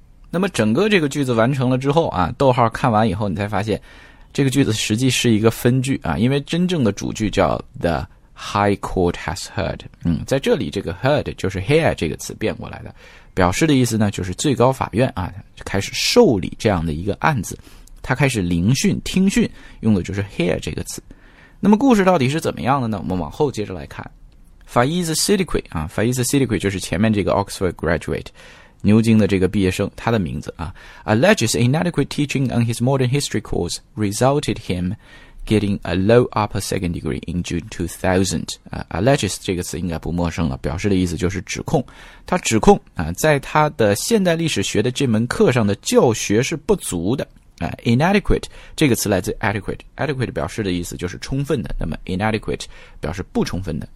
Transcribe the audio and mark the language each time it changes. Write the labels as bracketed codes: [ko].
[zh] 那么整个这个句子完成了之后啊，逗号看完以后，你才发现这个句子实际是一个分句啊，因为真正的主句叫 [en] the high court has heard。 [zh] 在这里这个 heard 就是 hear 这个词变过来的，表示的意思呢就是最高法院啊开始受理这样的一个案子，他开始聆讯听讯，用的就是 hear 这个词。那么故事到底是怎么样的呢？我们往后接着来看Faiz Siddiqui 啊 ，Faiz Siddiqui 就是前面这个 Oxford graduate， 牛津的这个毕业生，他的名字啊 ， [en] alleges inadequate teaching on his modern history course resulted him getting a low upper second degree in June 2000。 [zh] alleges 这个词应该不陌生了，表示的意思就是指控。他指控啊，在他的现代历史学的这门课上的教学是不足的。 inadequate 这个词来自 adequate 表示的意思就是充分的，那么 inadequate 表示不充分的。